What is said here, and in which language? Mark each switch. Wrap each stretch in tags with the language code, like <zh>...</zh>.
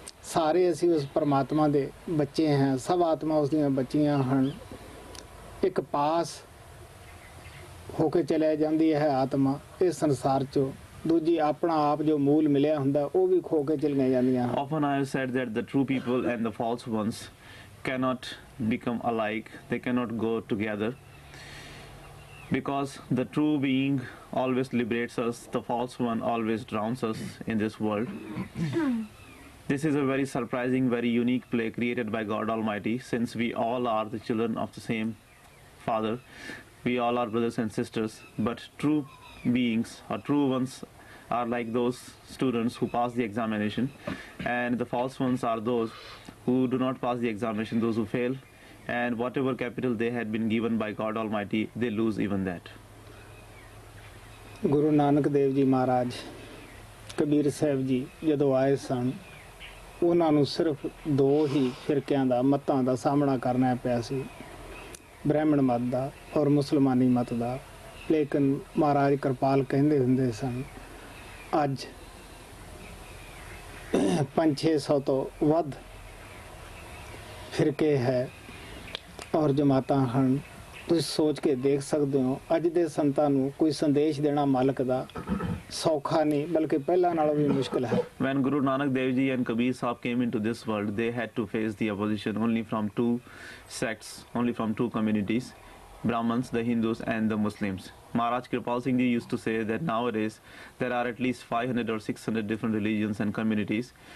<pa>ਸਾਰੇ ਅਸੀਂ ਉਸ ਪਰਮਾਤਮਾ ਦੇ ਬੱਚੇ ਹਾਂ, ਸਭ ਆਤਮਾ ਉਸਦੀਆਂ ਬੱਚੀਆਂ ਹਨ। ਇੱਕ ਪਾਸ ਹੋ ਕੇ ਚਲਿਆ ਜਾਂਦੀ ਹੈ ਆਤਮਾ ਇਸ ਸੰਸਾਰ 'ਚੋਂ, ਦੂਜੀ ਆਪਣਾ ਆਪ ਜੋ ਮੂਲ ਮਿਲਿਆ ਹੁੰਦਾ ਉਹ ਵੀ ਖੋ ਕੇ ਚਲੀਆਂ ਜਾਂਦੀਆਂ।</pa> <en>Often I have said that the true people and the false ones cannot become alike, they cannot go together. Because the true being always liberates us, the false one always drowns us in this world. This is a very surprising, very unique play created by God Almighty, since we all are the children of the same Father. We all are brothers and sisters, but true beings or true ones are like those students who pass the examination, and the false ones are those who do not pass the examination, those who fail, and whatever capital they had been given by God Almighty, they lose even that.</en> <pa>Guru Nanak Dev Ji Maharaj, Kabir Sahib Ji, jadon aaye san, ਉਹਨਾਂ ਨੂੰ ਸਿਰਫ ਦੋ ਹੀ ਫਿਰਕਿਆਂ ਦਾ ਮਤਾਂ ਦਾ ਸਾਹਮਣਾ ਕਰਨਾ ਪਿਆ ਸੀ, ਬ੍ਰਾਹਮਣ ਮਤ ਦਾ ਔਰ ਮੁਸਲਮਾਨੀ ਮਤ ਦਾ। ਲੇਕਿਨ ਮਹਾਰਾਜ ਕਿਰਪਾਲ ਕਹਿੰਦੇ ਹੁੰਦੇ ਸਨ, ਅੱਜ 500 ਤੋਂ ਵੱਧ ਫਿਰਕੇ ਹੈ ਔਰ ਜਮਾਤਾਂ ਹਨ। ਤੁਸੀਂ ਸੋਚ ਕੇ ਦੇਖ ਸਕਦੇ ਹੋ, ਅੱਜ ਦੇ ਸੰਤਾਂ ਨੂੰ ਕੋਈ ਸੰਦੇਸ਼ ਦੇਣਾ ਮਾਲਕ ਦਾ ਸੌਖਾ ਨਹੀਂ, ਬਲਕਿ ਪਹਿਲਾਂ ਨਾਲੋਂ ਵੀ ਮੁਸ਼ਕਲ ਹੈ।</pa> <en>When Guru Nanak Dev Ji and Kabir Sahib came into this world, they had to face the opposition only from two sects, only from two communities, Brahmins, the Hindus and the Muslims. Maharaj Kripal Singh Ji used to say that nowadays there are at least 500 or 600 different religions and communities.</en>